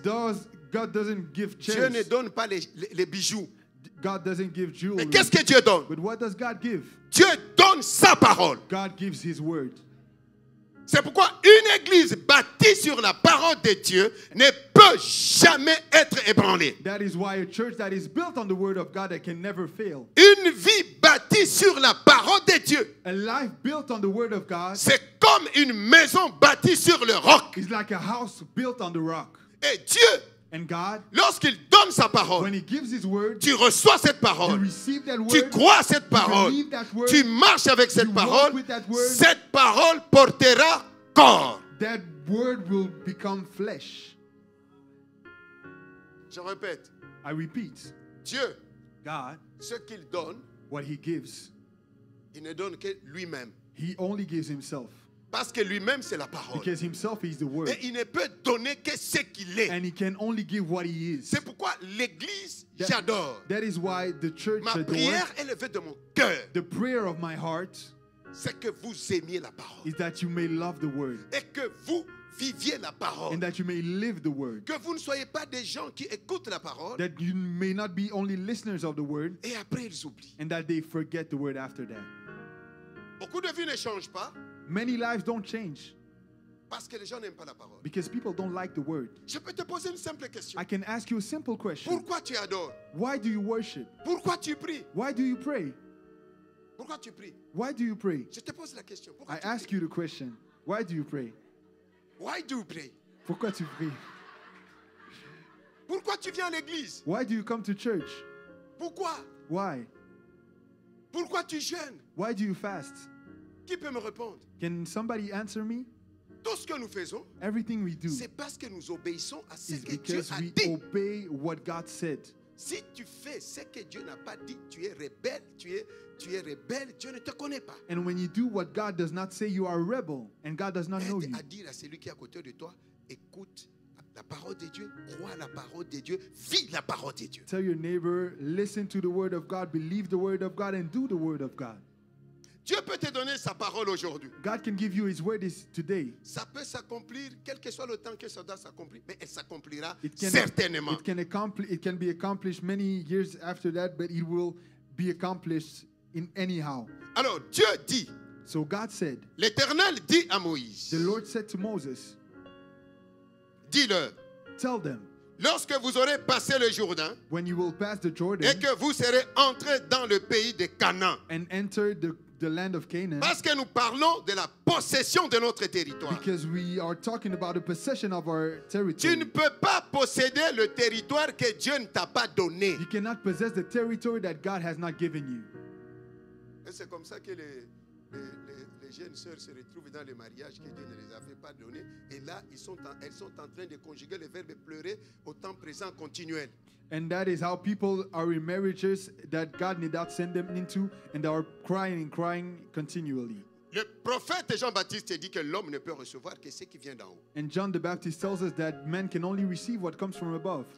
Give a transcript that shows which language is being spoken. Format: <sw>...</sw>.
<en>God doesn't give chairs.</en> <fr>Dieu ne donne pas les bijoux.</fr> <en>God doesn't give jewelry.</en> <fr>Mais qu'est-ce que Dieu donne?</fr> <en>But what does God give?</en> <fr>Dieu donne sa parole.</fr> <en>God gives his word.</en> <fr>C'est pourquoi une église bâtie sur la parole de Dieu ne peut jamais être ébranlée.</fr> <en>That is why a church that is built on the word of God that can never fail.</en> <fr>Une vie bâtie sur la parole de Dieu.</fr> <en>A life built on the word of God.</en> <fr>C'est comme une maison bâtie sur le roc.</fr> <en>It's like a house built on the rock.</en> <fr>Et Dieu,</fr> <en>and God,</en> <fr>lorsqu'il donne sa parole,</fr> <en>when he gives his word,</en> <fr>tu reçois cette parole,</fr> <en>you receive that word,</en> <fr>tu crois cette parole,</fr> <en>you believe that word,</en> <fr>tu marches avec cette</fr> <en>you</en> <fr>parole,</fr> <en>walk with that word,</en> <fr>cette parole portera corps.</fr> <en>That word will become flesh.</en> <fr>Je répète,</fr> <en>I repeat,</en> <fr>Dieu,</fr> <en>God,</en> <fr>ce qu'il donne,</fr> <en>what he gives,</en> <fr>il ne donne que lui-même.</fr> <en>He only gives himself.</en> <fr>Parce que lui-même, c'est la parole.</fr> <en>Because himself is the word.</en> <fr>Et il ne peut donner que ce qu'il est.</fr> <en>And he can only give what he is.</en> <fr>C'est pourquoi l'église, j'adore.</fr> <en>That is why the church</en> <fr>ma prière élevée de mon cœur,</fr> <en>the prayer of my heart,</en> <fr>c'est que vous aimiez la parole.</fr> <en>Is that you may love the word.</en> <fr>Et que vous viviez la parole.</fr> <en>And that you may live the word.</en> <fr>Que vous ne soyez pas des gens qui écoutent la parole.</fr> <en>That you may not be only listeners of the word.</en> <fr>Et après, ils oublient.</fr> <en>And that they forget the word after that.</en> <fr>Beaucoup de vies ne changent pas.</fr> <en>Many lives don't change.</en> <fr>Parce que les gens n'aiment pas la parole.</fr> <en>Because people don't like the word.</en> <fr>Je peux te poser une simple question.</fr> <en>I can ask you a simple question.</en> <fr>Pourquoi tu adores?</fr> <en>Why do you worship?</en> <fr>Pourquoi tu pries?</fr> <en>Why do you pray?</en> <fr>Pourquoi tu pries?</fr> <en>Why do you pray?</en> <fr>Je te pose la question. Pourquoi</fr> <en>I tu ask pries? You the question. Why do you pray? Why do you pray?</en> <fr>Pourquoi tu pries? Pourquoi tu viens à l'église?</fr> <en>Why do you come to church?</en> <fr>Pourquoi?</fr> <en>Why?</en> <fr>Pourquoi tu jeûnes?</fr> <en>Why do you fast?</en> <fr>Qui peut me répondre?</fr> <en>Can somebody answer me?</en> <fr>Tout ce que nous faisons,</fr> <en>everything we do,</en> <fr>c'est parce que nous obéissons à ce</fr> <en>is</en> <fr>que Dieu a</fr> <en>we</en> <fr>dit.</fr> <en>Obey what God said.</en> <fr>Si tu fais ce que Dieu n'a pas dit, tu es rebelle, tu es rebelle, Dieu ne te connaît pas.</fr> <en>And when you do what God does not say, you are a rebel and God does not</en> <fr>Aide</fr> <en>know you.</en> <fr>À dire à celui qui est à côté de toi, écoute la parole de Dieu, crois la parole de Dieu, vis la parole de Dieu.</fr> <en>Tell your neighbor, listen to the word of God, believe the word of God and do the word of God.</en> <fr>Dieu peut te donner sa parole aujourd'hui.</fr> <en>God can give you his word today.</en> <fr>Ça peut s'accomplir quel que soit le temps que ça doit s'accomplir, mais elle s'accomplira certainement.</fr> <en>It can be accomplished many years after that, but it will be accomplished in anyhow.</en> <fr>Alors Dieu dit.</fr> <en>So God said.</en> <fr>L'Éternel dit à Moïse.</fr> <en>The Lord said to Moses.</en> <fr>Dis-le.</fr> <en>Tell them.</en> <fr>Lorsque vous aurez passé le Jourdain,</fr> <en>when you will pass the Jordan,</en> <fr>et que vous serez entré dans le pays de Canaan,</fr> <en>and enter the land of Canaan,</en> <fr>parce que nous parlons de la possession de notre territoire.</fr> <en>Because we are talking about the possession of our territory.</en> <fr>Tu ne peux pas posséder le territoire que Dieu ne t'a pas donné.</fr> <en>You cannot possess the territory that God has not given you.</en> <fr>Et c'est comme ça que les jeunes sœurs se retrouvent dans les mariages que Dieu ne les avait pas donné. Et là, elles sont en train de conjuguer le verbe pleurer au temps présent continuel.</fr> <en>And that is how people are in marriages that God need not send them into and are crying continually.</en> <fr>Le prophète Jean-Baptiste dit que l'homme ne peut recevoir que ce qui vient d'en haut.</fr> <en>And John the Baptist tells us that man can only receive what comes from above.</en>